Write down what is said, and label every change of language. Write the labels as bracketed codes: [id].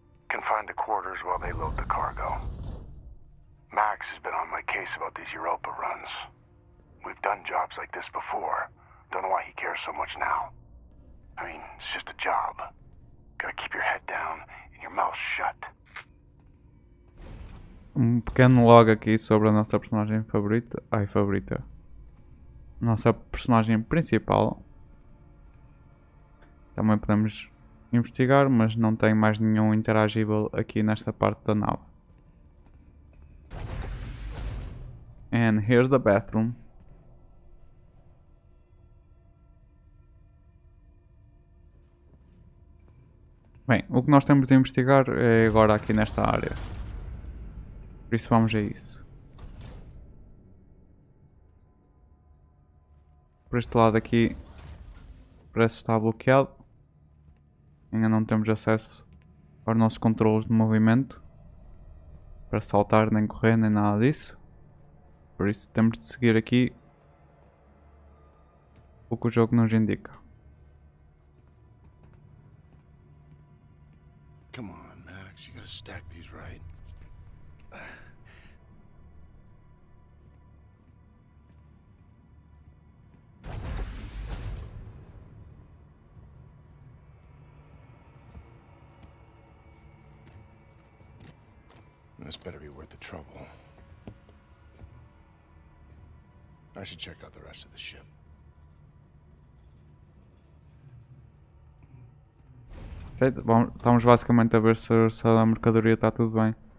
[en] Can find the quarters while they load the cargo. Max has been on my case about these Europa runs. We've done jobs like this before. Don't know why he cares so much now. I mean, it's just a job. Gotta keep your head down and your mouth shut. [pt] Um pequeno log aqui sobre a nossa personagem favorita. Ai, favorita. Nossa personagem principal. Também podemos investigar, mas não tem mais nenhum interagível aqui nesta parte da nave. [en] And here's the bathroom. [pt] Bem, o que nós temos de investigar é agora aqui nesta área. Por isso vamos a isso. Por este lado aqui parece que está bloqueado. Ainda não temos acesso aos nossos controles de movimento para saltar, nem correr, nem nada disso. Por isso temos de seguir aqui o que o jogo nos indica. [en] Come on, Max, you gotta stack these right. And this better be worth the trouble. I should check out the rest of the ship. [pt] Bom, estamos basicamente a ver se a mercadoria está tudo bem.